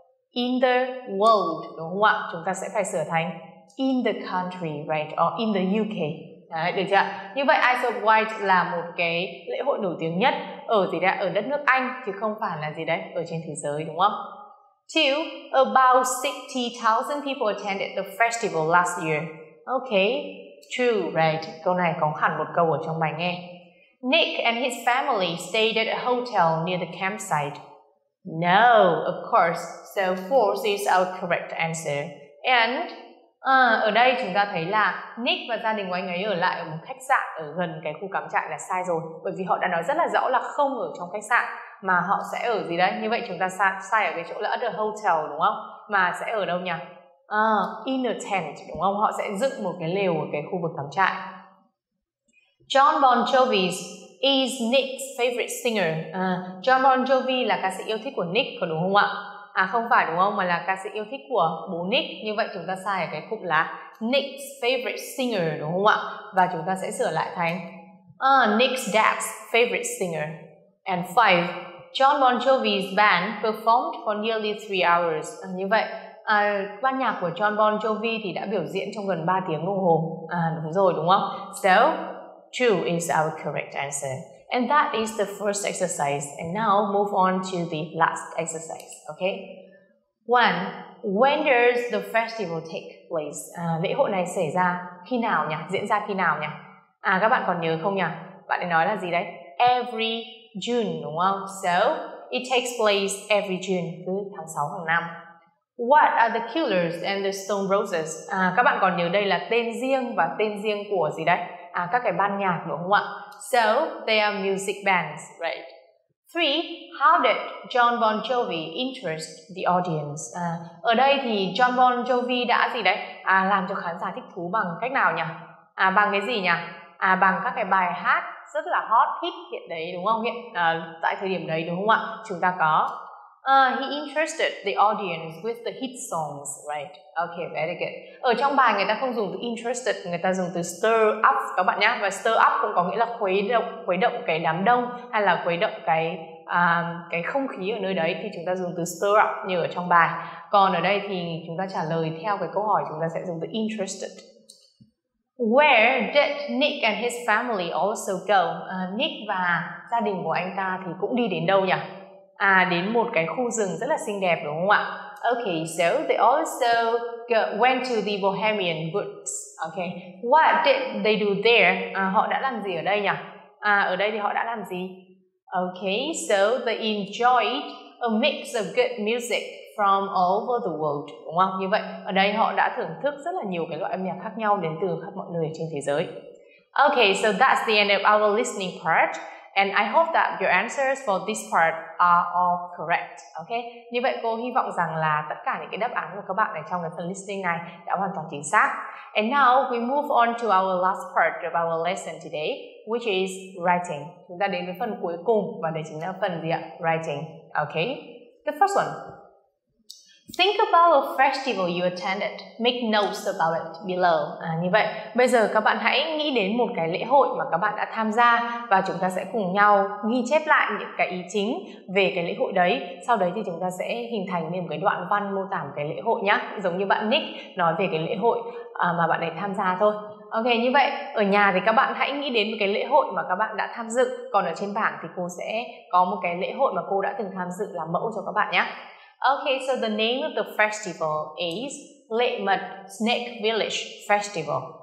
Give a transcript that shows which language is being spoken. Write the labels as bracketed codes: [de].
[en] In the world, [vi] đúng không ạ? Chúng ta sẽ phải sửa thành [en] in the country, right? Or in the UK. [vi] Đấy, được chưa? Như vậy, Isle of Wight là một cái lễ hội nổi tiếng nhất ở gì đấy? Ở đất nước Anh, chứ không phải là gì đấy? Ở trên thế giới, đúng không? [en] Two, about 60,000 people attended the festival last year. Okay, true, right? [vi] Câu này có hẳn một câu ở trong bài nghe. [en] Nick and his family stayed at a hotel near the campsite. No, of course. So false is our correct answer. [vi] And ở đây chúng ta thấy là Nick và gia đình của anh ấy ở lại ở một khách sạn ở gần cái khu cắm trại là sai rồi. Bởi vì họ đã nói rất là rõ là không ở trong khách sạn mà họ sẽ ở gì đấy. Như vậy chúng ta sai ở cái chỗ là [en] at a hotel, [vi] đúng không? Mà sẽ ở đâu nhỉ? [en] In a tent, [vi] đúng không? Họ sẽ dựng một cái lều ở cái khu vực cắm trại. [en] John Bon Jovi's is Nick's favorite singer. [vi] John Bon Jovi là ca sĩ yêu thích của Nick, có đúng không ạ? À không phải đúng không, mà là ca sĩ yêu thích của bố Nick. Như vậy chúng ta sai ở cái khúc là [en] Nick's favorite singer, [vi] đúng không ạ? Và chúng ta sẽ sửa lại thành [en] Nick's dad's favorite singer. And five, John Bon Jovi's band performed for nearly 3 hours. [vi] Như vậy, ban nhạc của John Bon Jovi thì đã biểu diễn trong gần 3 tiếng đồng hồ. À đúng rồi, đúng không? [en] So true is our correct answer. And that is the first exercise. And now move on to the last exercise. Okay? One, when does the festival take place? [vi] Lễ hội này xảy ra khi nào nhỉ? Diễn ra khi nào nhỉ? À, các bạn còn nhớ không nhỉ? Bạn ấy nói là gì đấy? [en] Every June, [vi] đúng không? [en] So, it takes place every June, [vi] cứ tháng 6 hàng năm. [en] What are the killers and the stone roses? [vi] À, các bạn còn nhớ đây là tên riêng và tên riêng của gì đấy? À, các cái ban nhạc đúng không ạ? [en] So, they are music bands, right? Three, how did John Bon Jovi interest the audience? [vi] Ở đây thì John Bon Jovi đã gì đấy? À, làm cho khán giả thích thú bằng cách nào nhỉ? À, bằng cái gì nhỉ? À, bằng các cái bài hát rất là hot, hit hiện đấy đúng không? Tại thời điểm đấy đúng không ạ? Chúng ta có [en] he interested the audience with the hit songs, right? Okay, very good. [vi] Ở trong bài người ta không dùng từ interested, người ta dùng từ stir up các bạn nhé. Và stir up cũng có nghĩa là khuấy động cái đám đông hay là khuấy động cái không khí ở nơi đấy, thì chúng ta dùng từ stir up như ở trong bài. Còn ở đây thì chúng ta trả lời theo cái câu hỏi, chúng ta sẽ dùng từ interested. [en] Where did Nick and his family also go? [vi] Nick và gia đình của anh ta thì cũng đi đến đâu nhỉ? À, đến một cái khu rừng rất là xinh đẹp đúng không ạ? [en] Okay, so they also went to the Bohemian Woods. Okay, what did they do there? [vi] À, họ đã làm gì ở đây nhỉ? À, ở đây thì họ đã làm gì? [en] Okay, so they enjoyed a mix of good music from all over the world. [vi] Đúng không? Như vậy, ở đây họ đã thưởng thức rất là nhiều cái loại âm nhạc khác nhau đến từ khắp mọi nơi trên thế giới. [en] Okay, so that's the end of our listening part. And I hope that your answers for this part are all correct. Okay? [vi] Như vậy cô hy vọng rằng là tất cả những cái đáp án của các bạn ở trong cái phần listening này đã hoàn toàn chính xác. [en] And now we move on to our last part of our lesson today, which is writing. [vi] Chúng ta đến với phần cuối cùng và đây chính là phần gì ạ? [en] Writing. Okay? The first one. Think about a festival you attended. Make notes about it below. [vi] À, như vậy, bây giờ các bạn hãy nghĩ đến một cái lễ hội mà các bạn đã tham gia và chúng ta sẽ cùng nhau ghi chép lại những cái ý chính về cái lễ hội đấy. Sau đấy thì chúng ta sẽ hình thành nên một cái đoạn văn mô tả cái lễ hội nhá. Giống như bạn Nick nói về cái lễ hội mà bạn ấy tham gia thôi. Ok, như vậy, ở nhà thì các bạn hãy nghĩ đến một cái lễ hội mà các bạn đã tham dự. Còn ở trên bảng thì cô sẽ có một cái lễ hội mà cô đã từng tham dự làm mẫu cho các bạn nhé. [en] Okay, so the name of the festival is Lệ Mật Snake Village Festival.